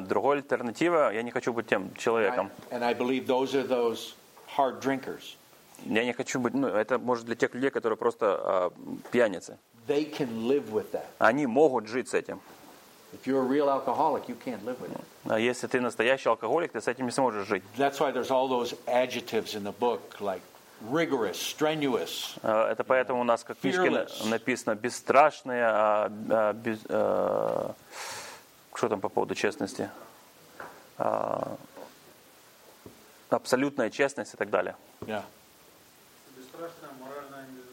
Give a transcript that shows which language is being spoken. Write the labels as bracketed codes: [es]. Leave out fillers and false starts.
[ru] другой альтернатива я не хочу быть тем человеком. Я не хочу быть, это может для тех людей, которые просто пьяницы. [en] They can live with that. [ru] Они могут жить с этим. [en] If you're a real alcoholic, you can't live with it. [ru] А если ты настоящий алкоголик, ты с этим не сможешь жить. [en] That's why there's all those adjectives in the book, like rigorous, strenuous. [ru] Это поэтому у нас как в книжке написано бесстрашные, что там по поводу честности, абсолютная честность и так далее. [en] Yeah. [ru] Бесстрашная моральная